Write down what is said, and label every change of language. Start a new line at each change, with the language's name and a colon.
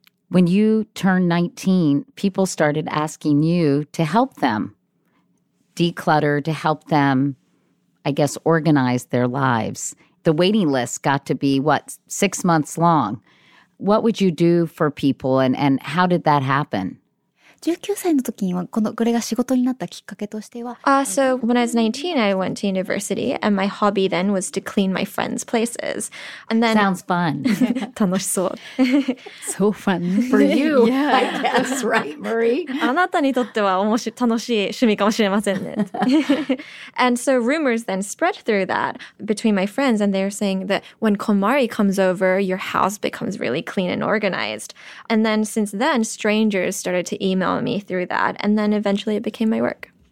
English: When you turned 19, people started asking you to help them declutter, to help them, I guess, organize their lives. The waiting list got to be, what, 6 months long. What would you do for people, and how did that happen?
Japanese: 19 歳の時にはこのこれが仕事になったきっかけとしては
English: So when I was 19, I went to university, and my hobby then was to clean my friends' places. And then, Sounds fun.
Japanese: 楽しそう。
English: So fun. For you, yeah. I guess, right, Marie?
Japanese: あなたにとっては楽しい趣味かもしれませんね。
English: And so rumors then spread through that between my friends, and they're saying that when Komari comes over, your house becomes really clean and organized. And then since then, strangers started to email me through that, and then eventually it became my work.